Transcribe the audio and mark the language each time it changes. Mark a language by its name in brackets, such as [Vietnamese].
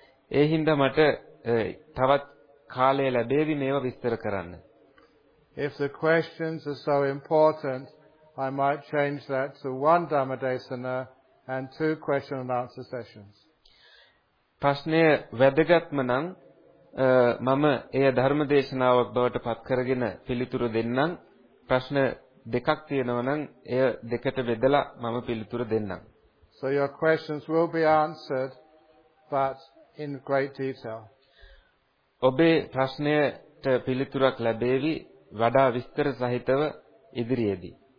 [Sinhala] ඒ හින්දා මට තවත් කාලය ලැබෙවි මේවා විස්තර කරන්න. [English] If the questions are so important, I might change that to one Dhamma Desana and two question and answer sessions. [Sinhala] ප්‍රශ්නය වැදගත්ම නම් මම එය ධර්ම දේශනාවක් බවට පත් කරගෙන පිළිතුරු දෙන්නම්. ප්‍රශ්න දෙකක් තියෙනවා නම් එය දෙකට බෙදලා මම පිළිතුරු දෙන්නම්. [English] So your questions will be answered but in great detail. [Sinhala] ඔබේ ප්‍රශ්නයට පිළිතුරක් ලැබේවි වඩා විස්තර සහිතව ඉදිරියේදී.